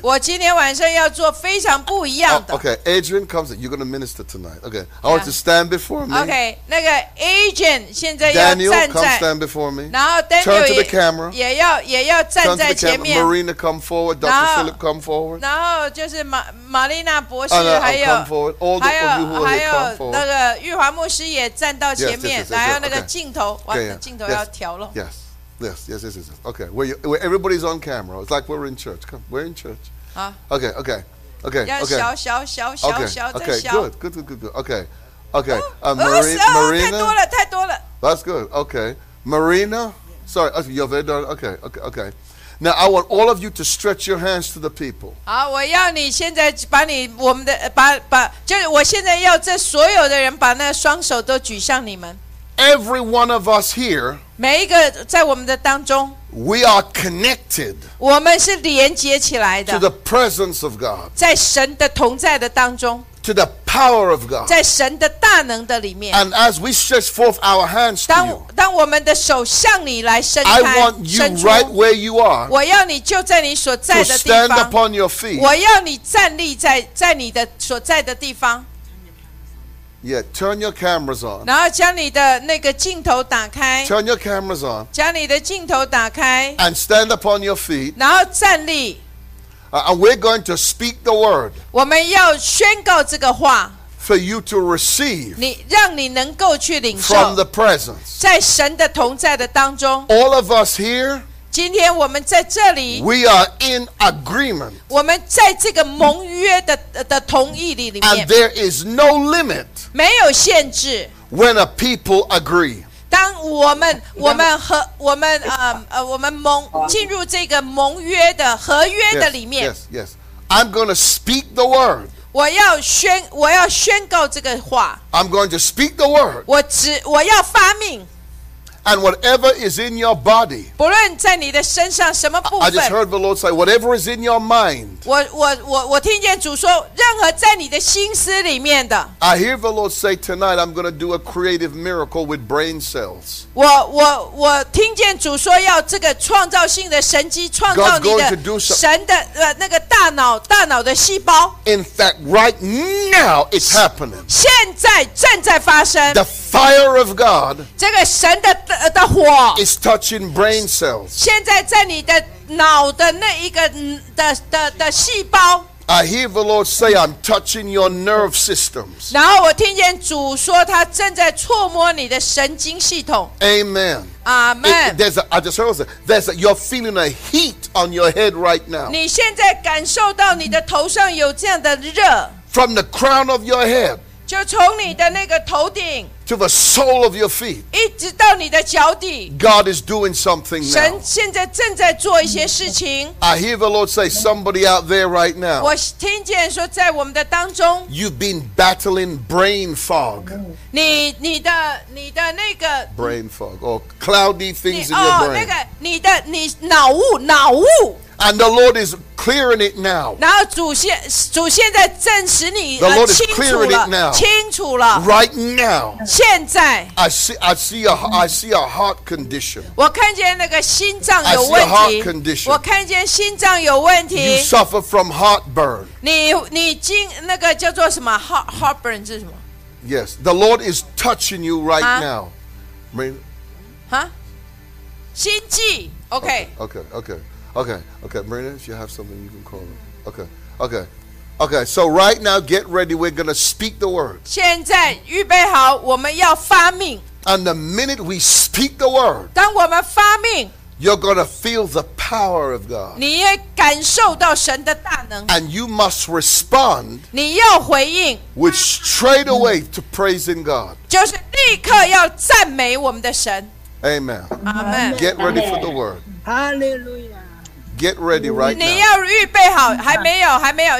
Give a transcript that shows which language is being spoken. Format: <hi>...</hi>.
<zh>我今天晚上要做非常不一样的。</zh> <en>Okay, Adrian comes in. You're going to minister tonight. Okay, I want to stand before me.</en> <zh>Okay, 那个 Adrian 现在要站在。</zh> <en>Daniel, come stand before me.</en> <zh>然后 Daniel 也。</zh> <en>Turn to the camera.</en> <zh>也要站在前面。</zh> <en>Marina, come forward. Dr. Philip, come forward.</en> <zh>然后就是玛丽娜博士，还有还有还有。</zh> <en>All the people who are here, come forward.</en> <zh>那个玉华牧师也站到前面，然后那个镜头，哇，那镜头要调了。</zh> <en>Yes, yes, yes, yes, yes, yes. Okay, where everybody's on camera. It's like we're in church. Come, we're in church. Okay, okay, okay, okay.</en> <zh>要小小小小小再小。</zh> <en>Good, good, good, good, good. Okay, okay. Marina,</en> <zh>太多了，太多了。</zh> <en>That's good. Okay, Marina. Sorry, you're very done. Okay, okay, okay. Now, I want all of you to stretch your hands to the people.</en> <zh>好，我要你现在把你我们的把就是我现在要这所有的人把那双手都举向你们。</zh> <en>Every one of us here,</en> <zh>每一个在我们的当中，</zh> <en>we are connected.</en> <zh>我们是连接起来的。</zh> <en>To the presence of God.</en> <zh>在神的同在的当中。</zh> <en>To the power of God.</en> <zh>在神的大能的里面。</zh> <en>And as we stretch forth our hands to you.</en> <zh>当我们的手向你来伸开</zh> <en>I want you right where you are</en> <zh>我要你就在你所在的地方</zh> <en>To stand upon your feet</en> <zh>我要你站立 在你的所在的地方</zh> <en>Yeah, turn your cameras on</en> <zh>然后将你的那个镜头打开</zh> <en>Turn your cameras on</en> <zh>将你的镜头打开</zh> <en>And stand upon your feet</en> <zh>然后站立</zh> <en>And we're going to speak the word</en> <zh>我们要宣告这个话</zh> <en>For you to receive,</en> <zh>你让你能够去领受</zh> <en>from the presence,</en> <zh>在神的同在的当中</zh> <en>all of us here,</en> <zh>今天我们在这里</zh> <en>we are in agreement,</en> <zh>我们在这个盟约的同意里面</zh> <en>and there is no limit,</en> <zh>没有限制</zh> <en>when a people agree.</en> <zh>当我们盟进入这个盟约的合约的里面</zh> <en>yes, yes, yes. I'm going to speak the word.</en> <zh>我要宣告这个话。</zh> <en>I'm going to speak the word.</en> <zh>我要发命。</zh> <en>And whatever is in your body.</en> <zh>不论在你的身上什么部分。</zh> <en>I just heard the Lord say, whatever is in your mind.</en> <zh>我听见主说，任何在你的心思里面的。</zh> <en>I hear the Lord say tonight, I'm going to do a creative miracle with brain cells.</en> <zh>我听见主说要这个创造性的神迹，创造你的神的那个大脑的细胞。</zh> <en>In fact, right now it's happening.</en> <zh>现在正在发生。</zh> <en>The fire of God.</en> <zh>这个神的</zh> <en>It's touching brain cells.</en> <zh>现在在你的脑的那一个的细胞。</zh> <en>I hear the Lord say, "I'm touching your nerve systems."</en> <zh>然后我听见主说，他正在触摸你的神经系统。</zh> <en>Amen. Amen. I just heard that. There's you're feeling a heat on your head right now.</en> <zh>你现在感受到你的头上有这样的热。</zh> <en>From the crown of your head.</en> <zh>就从你的那个头顶</zh> <en>to the sole of your feet</en> <zh>一直到你的脚底</zh> <en>God is doing something now</en> <zh>神现在正在做一些事情</zh> <en>I hear the Lord say somebody out there right now</en> <zh>我听见说在我们的当中</zh> <en>You've been battling brain fog</en> <zh>你的那个</zh> <en>brain fog or cloudy things in your brain</en> <zh>那个你脑雾</zh> <en>And the Lord isClearing it now.</en> <zh>然后主现在证实你清楚了</zh> <en>Right now.</en> <zh>现在</zh> <en>I see a heart condition.</en> <zh>我看见那个心脏有问题</zh> <en>I see a heart condition.</en> <zh>我看见心脏有问题</zh> <en>You suffer from heartburn.</en> <zh>你经那个叫做什么 heartburn 是什么</zh> <en>Yes. The Lord is touching you right now.</en> <zh>心悸 Okay.</zh> <en>Okay. Okay. Okay, okay, Marina, if you have something, you can call her. Okay, okay, okay, so right now, get ready, we're going to speak the word.</en> <zh>现在预备好，我们要发命。</zh> <en>And the minute we speak the word,</en> <zh>当我们发命,</zh> <en>you're going to feel the power of God.</en> <zh>你也感受到神的大能。</zh> <en>And you must respond,</en> <zh>你要回应。</zh> <en>With straight away to praising God.</en> <zh>就是立刻要赞美我们的神。</zh> <en>Amen. Amen. Get ready for the word. Hallelujah. Get ready right now.</en> <zh>你要预备好，还没有，还没有。</zh>